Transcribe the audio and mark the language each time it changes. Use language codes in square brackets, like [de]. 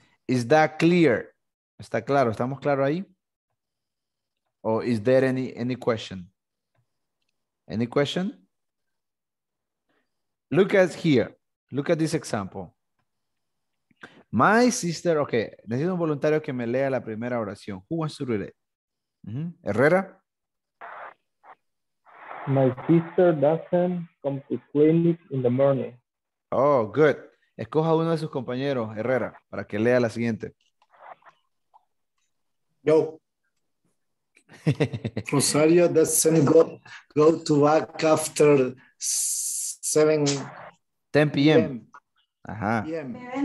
[en] Is that clear? [es] ¿Está claro? ¿Estamos claros ahí? ¿O [en] is there any question? ¿Any question? Look at here. Look at this example. My sister, okay. [es] Necesito un voluntario que me lea la primera oración. [en] Who wants to read it? Mm-hmm. Herrera. My sister doesn't come to clinic in the morning. Oh, good. [es] Escoja uno de sus compañeros, Herrera, para que lea la siguiente. Yo. [en] Rosario doesn't go to work after 7 10 p.m. Ajá. PM.